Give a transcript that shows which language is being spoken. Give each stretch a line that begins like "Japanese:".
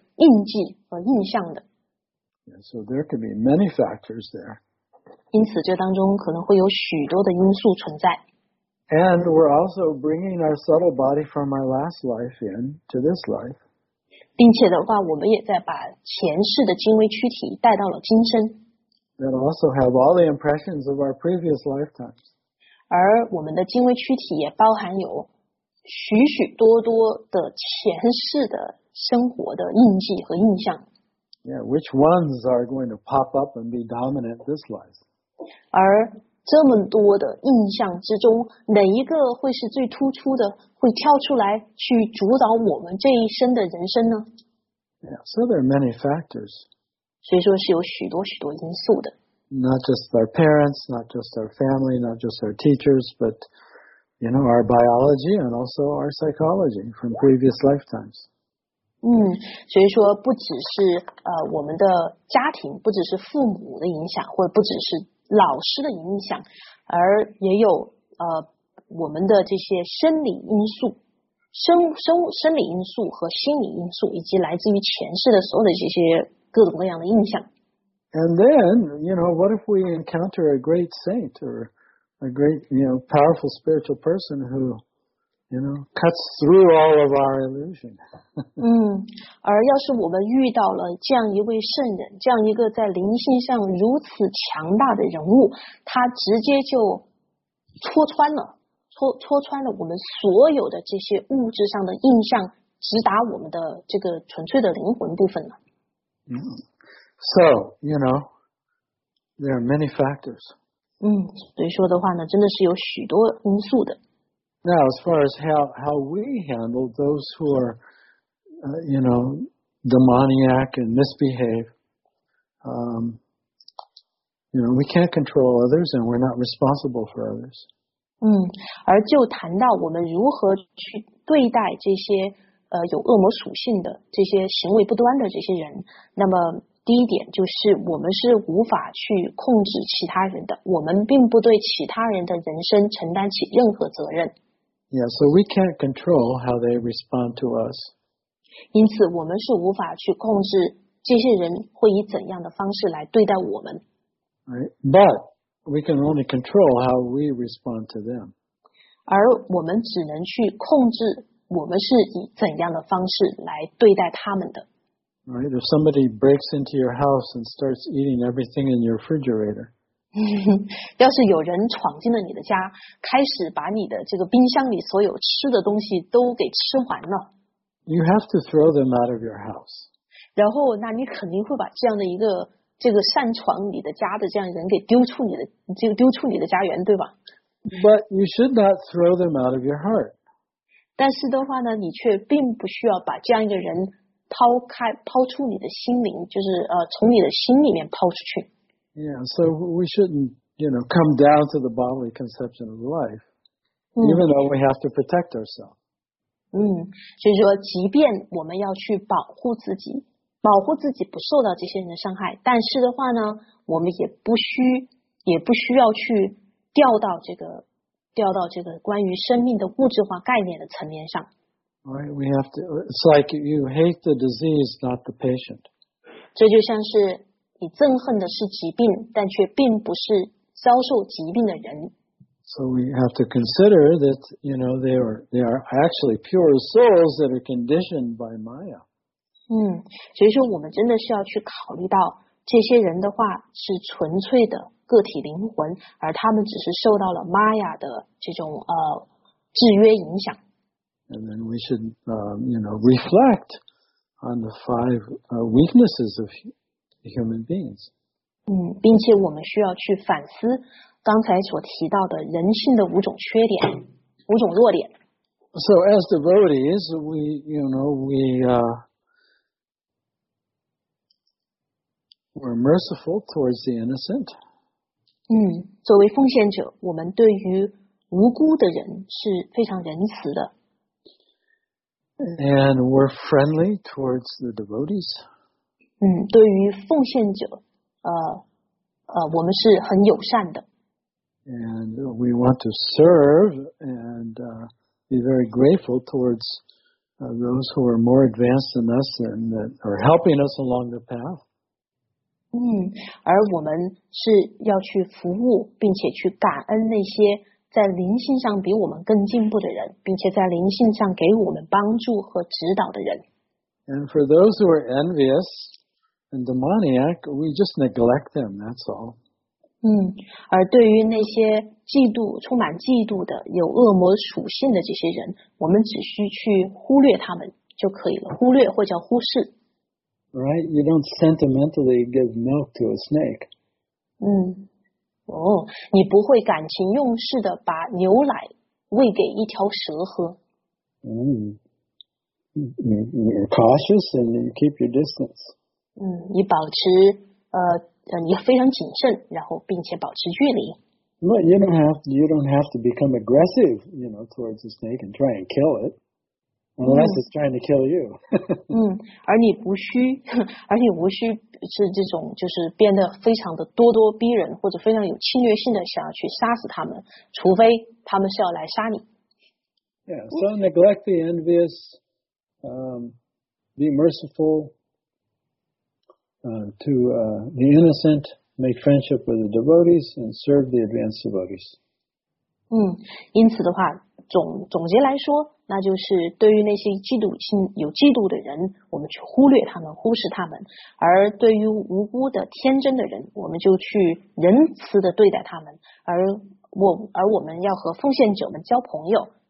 Chinese: 而我们的基因，我们身体内的基因，实际上，都包含有我们的先祖先辈他们当时的那些印记和印象的。
English: Yeah, so there could be many factors there.
Chinese: 因此，这当中可能会有许多的因素存在。
English: And we're also bringing our subtle body from my last life in to this life.
Chinese: 并且的话，我们也在把前世的精微躯体带到了今生。
English: That also have all the impressions of our previous lifetimes.
Chinese: 而我们的精微躯体也包含有许许多多的前世的生活的印记和印象。
English: Yeah, which ones are going to pop up and be dominant this life?
Chinese: 而这么多的印象之中，哪一个会是最突出的，会跳出来去主导我们这一生的人生呢？
English: Yeah, so there are many factors.
Chinese: 所以说是有许多许多因素的。
English: Not just our parents, not just our family, not just our teachers, but, you know, our biology and also our psychology from previous lifetimes.
Chinese: 嗯，所以说不只是我们的家庭，不只是父母的影响，或者不只是老师的影响，而也有我们的这些生理因素，生理因素和心理因素，以及来自于前世的所有的这些各种各样的印象。
English: And then, you know, what if we encounter a great saint or a great, you know, powerful spiritual person who, you know, cuts through all of our illusion?
Chinese: 而要是我们遇到了这样一位圣人，这样一个在灵性上如此强大的人物，他直接就戳穿了我们所有的这些物质上的印象，直达我们的这个纯粹的灵魂部分了。
English: 嗯。So, you know, there are many factors.
Chinese: 所以说的话呢，真的是有许多因素的。
English: Now, as far as how we handle those who are, you know, demoniac and misbehave, you know, we can't control others and we're not responsible for others.
Chinese: 而就谈到我们如何去对待这些有恶魔属性的这些行为不端的这些人，那么第一点就是我们是无法去控制其他人的，我们并不对其他人的人生承担起任何责任。
English: Yeah, so we can't control how they respond to us.
Chinese: 因此我们是无法去控制这些人会以怎样的方式来对待我们。
English: Right, but we can only control how we respond to them.
Chinese: 而我们只能去控制我们是以怎样的方式来对待他们的。
English: Right, if somebody breaks into your house and starts eating everything in your refrigerator.
Chinese: 要是有人闯进了你的家，开始把你的这个冰箱里所有吃的东西都给吃完了。
English: You have to throw them out of your house.
Chinese: 然后，那你肯定会把这样的一个这个擅闯你的家的这样人给丢出你的家园，对吧？
English: But you should not throw them out of your heart.
Chinese: 但是的话呢，你却并不需要把这样一个人抛出你的心灵，就是从你的心里面抛出去。
English: Yeah, so we shouldn't, you know, come down to the bodily conception of life, even though we have to protect ourselves.
Chinese: 所以说，即便我们要去保护自己，保护自己不受到这些人的伤害，但是的话呢，我们也不需要去掉到这个关于生命的物质化概念的层面上。
English: Right, we have to. It's like you hate the disease, not the patient.
Chinese: 这就像是你憎恨的是疾病，但却并不是遭受疾病的人。
English: So we have to consider that, you know, they are actually pure souls that are conditioned by Maya.
Chinese: 所以说我们真的是要去考虑到这些人的话是纯粹的个体灵魂，而他们只是受到了 Maya 的这种制约影响。
English: And then we should, you know, reflect on the five weaknesses of human beings.
Chinese: 并且我们需要去反思刚才所提到的人性的五种缺点，五种弱点。
English: So as devotees, we, you know, we're merciful towards the innocent.
Chinese: 作为奉献者，我们对于无辜的人是非常仁慈的。
English: And we're friendly towards the devotees.
Chinese: 对于奉献者，我们是很友善的。
English: And we want to serve and be very grateful towards those who are more advanced than us and that are helping us along the path.
Chinese: 而我们是要去服务，并且去感恩那些在灵性上比我们更进步的人，并且在灵性上给我们帮助和指导的人。
English: And for those who are envious and demoniac, we just neglect them, that's all.
Chinese: 而对于那些嫉妒、充满嫉妒的、有恶魔属性的这些人，我们只需去忽略他们就可以了，忽略或叫忽视。
English: Right, you don't sentimentally give milk to a snake.
Chinese: 你不会感情用事的把牛奶喂给一条蛇喝。
English: You're cautious and you keep your distance.
Chinese: 你保持你非常谨慎，然后并且保持距离。
English: But you don't have to become aggressive, you know, towards a snake and try and kill it, unless it's trying to kill you.
Chinese: 而你无需是这种就是变得非常的咄咄逼人或者非常有侵略性的想要去杀死他们，除非他们是要来杀你。
English: Yeah, so neglect the envious, be merciful to the innocent, make friendship with the devotees, and serve the advanced devotees.
Chinese: 因此的话，总结来说，那就是对于那些嫉妒心、有嫉妒的人，我们去忽略他们、忽视他们；而对于无辜的、天真的人，我们就去仁慈的对待他们。而我们要和奉献者们交朋友。